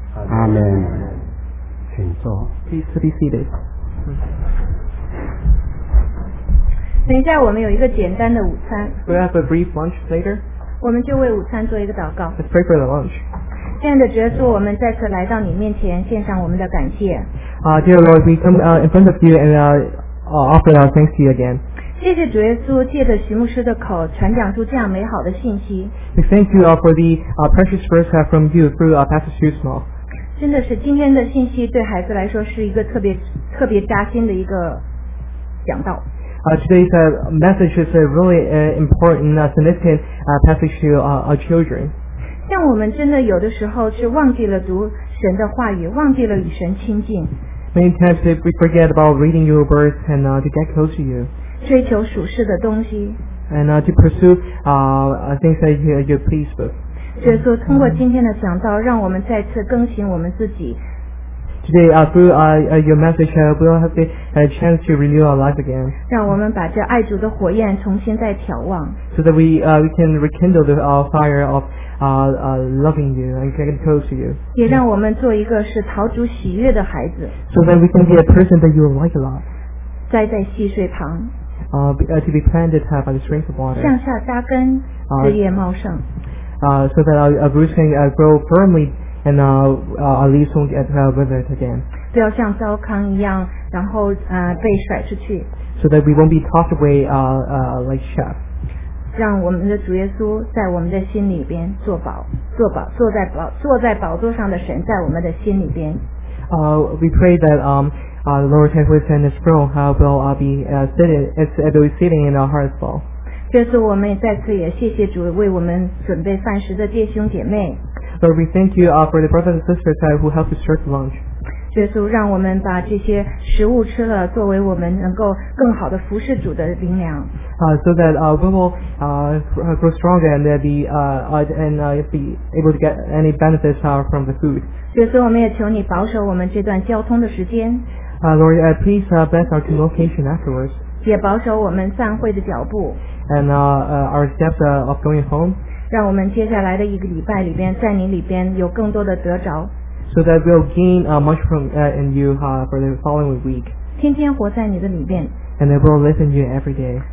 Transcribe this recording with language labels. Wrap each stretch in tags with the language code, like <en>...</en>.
<zh>阿门。请坐。</zh> <en>Please be seated.</en> <zh>等一下，我们有一个简单的午餐。</zh> <en>We have a brief lunch later.</en> <zh>我们就为午餐做一个祷告。</zh> <en>Let's pray for the lunch.</en> <zh>亲爱的主耶稣，我们再次来到你面前，献上我们的感谢。</zh> <en>Dear Lord, we come in front of you and offer our thanks to you again.</en> <zh>谢谢主耶稣，借着徐牧师的口传讲出这样美好的信息。</zh> <en>We thank you for the precious words from you through Pastor Hugh Small.</en> <zh>真的是今天的信息对孩子来说是一个特别扎心的一个讲道。</zh> <en>Today's message is a really important, significant passage to our children.</en> <zh>像我们真的有的时候是忘记了读神的话语，忘记了与神亲近。</zh> <en>Many times we forget about reading your words and to get close to you.</en> <zh>追求属世的东西。</zh> <en>And to pursue things that you're pleased with.</en> <zh>耶稣，通过今天的讲道，让我们再次更新我们自己。</zh> <en>Today through your message, we'll have the chance to renew our life again.</en> <zh>让我们把这爱主的火焰重新再眺望。</zh> <en>So that we can rekindle the fire of loving you and getting close to you.</en> <zh>也让我们做一个是讨主喜悦的孩子。</zh> <en>So that we can be a person that you like a lot.</en> <zh>栽在溪水旁。</zh> <en>To be planted by the streams of water.</en> <zh>向下扎根，枝叶茂盛。</zh> <en>So that our roots can grow firmly. And our leaves won't get withered again.</en> <zh>不要像糟糠一样，然后被甩出去。</zh> <en>So that we won't be tossed away like chaff.</en> <zh>让我们的主耶稣在我们的心里边做宝，做宝，坐在宝，坐在宝座上的神在我们的心里边。</zh> <en>We pray that Lord Jesus and His throne will be sitting in our hearts. Well,</en> <zh>这次我们再次也谢谢主为我们准备饭食的弟兄姐妹。</zh> <en>So we thank you for the brothers and sisters who helped us serve lunch.</en> <zh>耶稣，让我们把这些食物吃了，作为我们能够更好的服侍主的灵粮。</zh> <en>So that we will grow stronger and be able to get any benefits from the food.</en> <zh>耶稣，我们也求你保守我们这段交通的时间。</zh> <en>Lord, please bless our convocation afterwards.</en> <zh>也保守我们散会的脚步。</zh> <en>And our steps of going home.</en> <zh>让我们接下来的一个礼拜里边，在你里边有更多的得着。</zh> <en>So that we'll gain much from in you for the following week.</en> <zh>天天活在你的里边。</zh> <en>And I will live in you every day.</en>